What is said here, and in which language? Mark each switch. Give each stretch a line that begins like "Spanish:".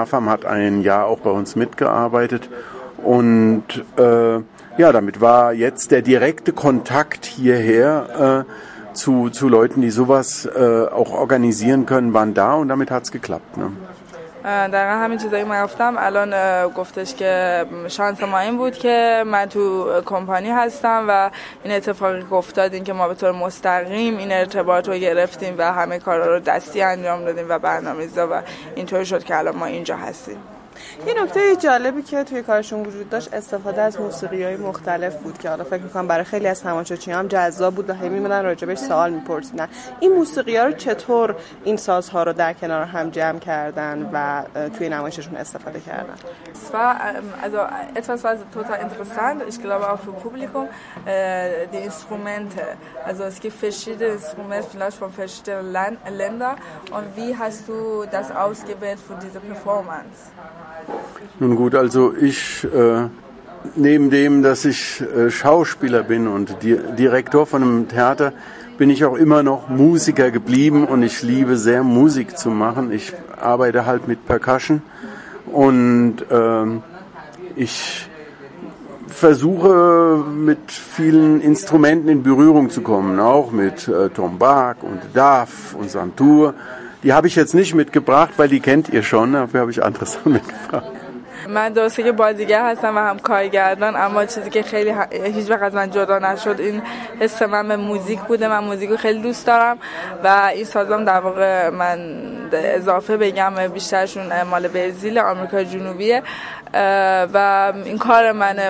German: MAFAM hat ein Jahr auch bei uns mitgearbeitet und ja, damit war jetzt der direkte Kontakt hierher zu Leuten, die sowas auch organisieren können, waren da und damit hat's geklappt. Ne?
Persian: در واقع همین چیزایی من گفتم الان گفتش که شانس ما این بود که من تو کمپانی هستم و این اتفاقی که افتاد این که ما به طور مستقیم این ارتباط رو گرفتیم و همه کارا رو دستی انجام دادیم و برنامه‌ریزا و اینطوری شد که الان ما اینجا هستیم. یه نکته جالبی که توی کارشون وجود داشت استفاده از موسیقی‌های مختلف بود که حالا فکر می‌کنم برای خیلی از تماشاگرها هم جذاب بود و همه می‌مدن راجبش سوال می‌پرسیدن. این موسیقی‌ها رو چطور این سازها رو در کنار هم جمع کردن و توی نمایششون استفاده کردن؟
German: Also etwas was total interessant, ich glaube auch für Publikum, die Instrumente. Also es gibt verschiedene Instrumente vielleicht von verschiedenen Ländern und wie hast du das ausgewählt für diese Performance? Nun gut, also ich neben dem, dass ich Schauspieler bin und Direktor von einem Theater, bin ich auch immer noch Musiker geblieben und ich liebe sehr Musik zu machen. Ich arbeite halt mit Percussion und ich versuche mit vielen Instrumenten in Berührung zu kommen, auch mit Tom Bach und Duff und Santur. Die habe ich jetzt nicht mitgebracht, weil die kennt ihr schon, dafür habe ich andere Sachen mitgebracht.
Persian: من درسته که بازیگر هستم و هم کارگردان، اما چیزی که خیلی هیچ وقت از من جدا نشد این حس من به موزیک بوده. من موزیکو خیلی دوست دارم و این سازم در واقع من اضافه بگم بیشترشون مال برزیل، آمریکای جنوبیه و این کار منه.